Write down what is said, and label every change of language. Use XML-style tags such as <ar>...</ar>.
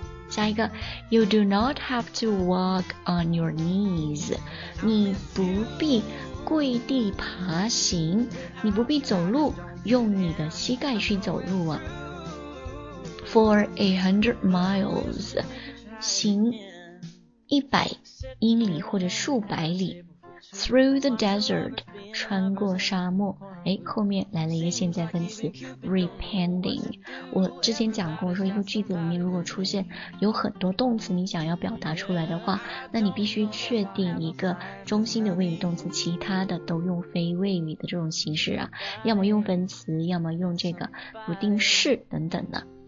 <zh>下一个</zh> <en>You do not have to walk on your knees，</en> <zh>你不必跪地爬行，你不必走路，用你的膝盖去走路啊。</zh> <en>For 100 miles，</en> <zh>行一百英里或者数百里。</zh> <en>Through the desert，</en> <zh>穿过沙漠。哎，后面来了一个现在分词 repending。我之前讲过，说一个句子里面如果出现有很多动词你想要表达出来的话，那你必须确定一个中心的谓语动词，其他的都用非谓语的这种形式啊，要么用分词，要么用这个不定式等等的。</zh>